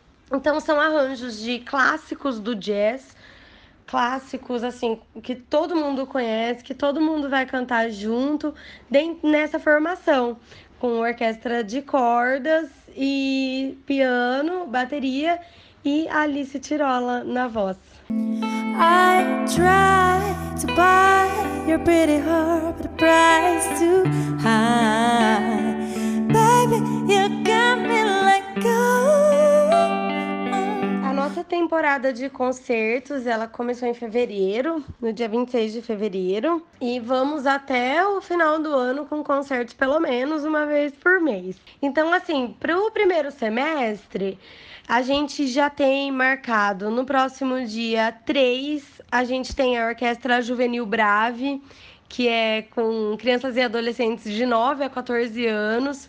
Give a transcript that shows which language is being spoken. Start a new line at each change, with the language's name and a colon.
Portuguese: Então são arranjos de clássicos do jazz, clássicos assim que todo mundo conhece, que todo mundo vai cantar junto nessa formação, com orquestra de cordas e piano, bateria e Alice Tirola na voz.
English: I tried to buy your pretty heart, but the price too high. Baby, you got me let go.
Portuguese: A nossa temporada de concertos, ela começou em fevereiro, no dia 26 de fevereiro. E vamos até o final do ano com concertos pelo menos uma vez por mês. Então, assim, pro primeiro semestre, a gente já tem marcado no próximo dia 3, a gente tem a Orquestra Juvenil Brave, que é com crianças e adolescentes de 9 a 14 anos.